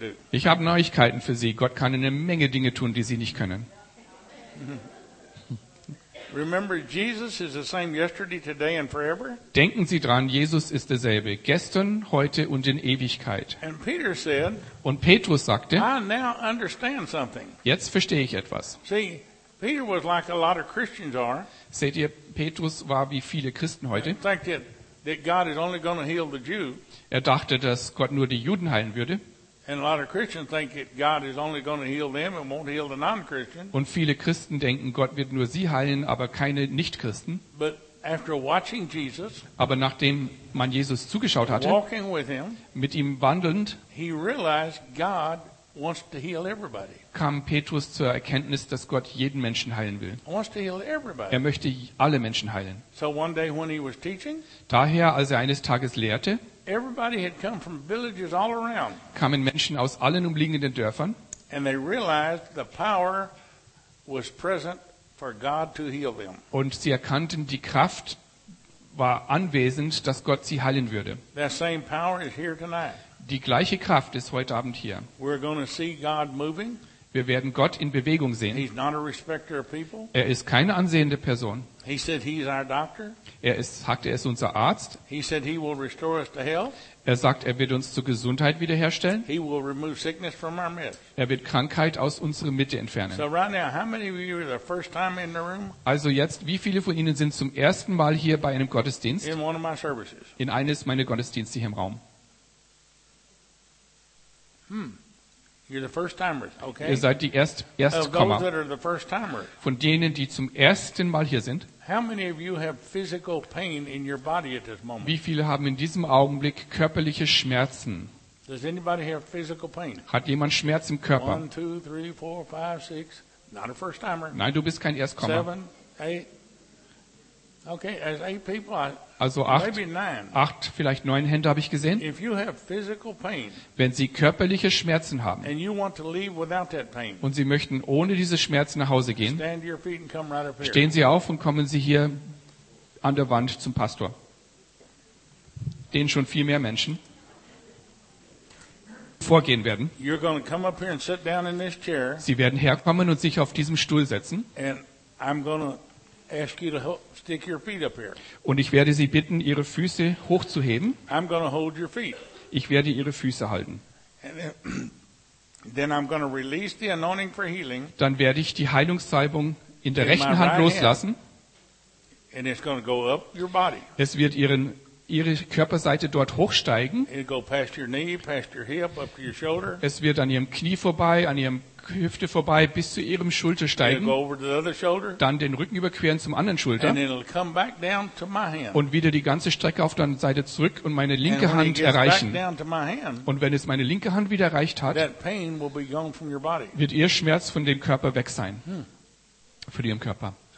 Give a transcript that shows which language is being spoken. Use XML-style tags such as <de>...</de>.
<de>Ich habe Neuigkeiten für Sie. Gott kann eine Menge Dinge tun, die Sie nicht können.</de> <en>Remember, Jesus is the same yesterday, today and forever.</en> <de>Denken Sie dran, Jesus ist derselbe, gestern, heute und in Ewigkeit.</de> <en>And Peter said,</en> <de>und Petrus sagte,</de> <en>I now understand something.</en> <de>Jetzt verstehe ich etwas.</de> <en>See, Peter was like a lot of Christians are.</en> <de>Seht ihr, Petrus war wie viele Christen heute.</de> <en>That God is only going to heal the Jew.</en> <de>Er dachte, dass Gott nur die Juden heilen würde.</de> <en>And a lot of Christians think that God is only going to heal them and won't heal the non-Christians.</en> <de>Und viele Christen denken, Gott wird nur sie heilen, aber keine Nicht-Christen.</de> <en>But after watching Jesus,</en> <de>aber nachdem man Jesus zugeschaut hatte,</de> <en>walking with him,</en> <de>mit ihm wandelnd,</de> <en>he realized God wants to heal everybody.</en> <de>Kam Petrus zur Erkenntnis, dass Gott jeden Menschen heilen will.</de> <en>Wants to heal everybody.</en> <de>Er möchte alle Menschen heilen.</de> <en>So one day when he was teaching,</en> <de>daher, als er eines Tages lehrte,</de> <en>everybody had come from villages all around.</en> <de>Kamen Menschen aus allen umliegenden Dörfern.</de> <en>And they realized the power was present for God to heal them.</en> <de>Und sie erkannten, die Kraft war anwesend, dass Gott sie heilen würde.</de> <en>That same power is here tonight.</en> <de>Die gleiche Kraft ist heute Abend hier.</de> <en>We're going to see God moving.</en> <de>Wir werden Gott in Bewegung sehen.</de> <en>He's not a respecter of people.</en> <de>Er ist keine ansehende Person.</de> <en>He said he's our doctor.</en> <de>Er ist unser Arzt.</de> <en>He said he will restore us to health.</en> <de>Er sagt, er wird uns zur Gesundheit wiederherstellen.</de> <en>He will remove sickness from our midst.</en> <de>Er wird Krankheit aus unserer Mitte entfernen.</de> <en>So right now, how many of you are the first time in the room?</en> <de>Also jetzt, wie viele von Ihnen sind zum ersten Mal hier bei einem Gottesdienst?</de> <en>In one of my services.</en> <de>In eines meiner Gottesdienste hier im Raum.</de> <en>You're the first timers, okay?</en> <de>Ihr seid die Erstkommer.</de> <en>Of those that are the first timers.</en> <de>Von denen, die zum ersten Mal hier sind.</de> <en>How many of you have physical pain in your body at this moment?</en> <de>Wie viele haben in diesem Augenblick körperliche Schmerzen?</de> <en>Does anybody have physical pain?</en> <de>Hat jemand Schmerz im Körper?</de> <en>1, 2, 3, 4, 5, 6. Not a first timer.</en> <de>Nein, du bist kein Erstkommer.</de> <en>7, 8. Okay, as 8 people,</en> <de>also acht, vielleicht neun Hände habe ich gesehen.</de> <en>If you have physical pain,</en> <de>wenn Sie körperliche Schmerzen haben</de> <en>and you want to leave without that pain,</en> <de>und Sie möchten ohne diese Schmerzen nach Hause gehen,</de> <en>stand to your feet and come right up here.</en> <de>Stehen Sie auf und kommen Sie hier an der Wand zum Pastor. Den schon viel mehr Menschen vorgehen werden.</de> <en>You're going to come up here and sit down in this chair,</en> <de>Sie werden herkommen und sich auf diesem Stuhl setzen.</de> <en>And I'm going to ask you to help. Stick your feet up here.</en> <de>Und ich werde Sie bitten, Ihre Füße hochzuheben.</de> <en>I'm gonna hold your feet.</en> <de>Ich werde Ihre Füße halten.</de> <en>And then I'm gonna release the anointing for healing.</en> <de>Dann werde ich die Heilungssalbung in der rechten Hand loslassen.</de> <en>And it's gonna go up your body.</en> <de>Es wird Ihre Körperseite dort hochsteigen.</de> <en>It'll go past your knee, past your hip, up to your shoulder.</en> <de>Es wird an Ihrem Knie vorbei, an Ihrem Hüfte vorbei bis zu ihrem Schulter steigen, dann den Rücken überqueren zum anderen Schulter und wieder die ganze Strecke auf der Seite zurück und meine linke Hand erreichen. Und wenn es meine linke Hand wieder erreicht hat, wird ihr Schmerz von dem Körper weg sein, von ihrem Körper.</de>